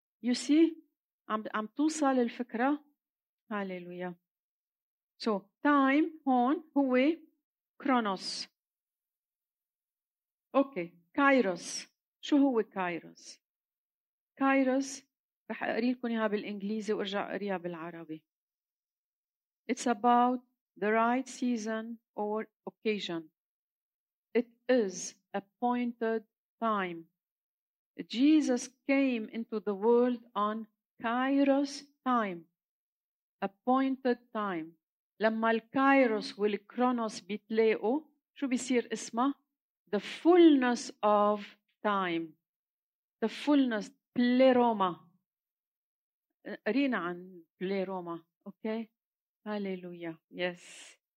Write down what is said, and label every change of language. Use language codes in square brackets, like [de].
[ar] يسي عم توصل الفكرة؟ هاليلويا. [en] So time [ar] هون هو كرونوس. أوكي كايروس. شو هو كايروس؟ كايروس رح أقري لكم إياها بالإنجليزي وأرجع أقريها بالعربي. [en] It's about the right season or occasion. It is appointed time. Jesus came into the world on Kairos time. Appointed time. [ar] لما الكايروس والكرونوس بيتلاقوا شو بيصير اسمه؟ [en] The fullness of time. The fullness. [ar] بليروما. قرينا عن بليروما. Okay. هاليلويا. Yes.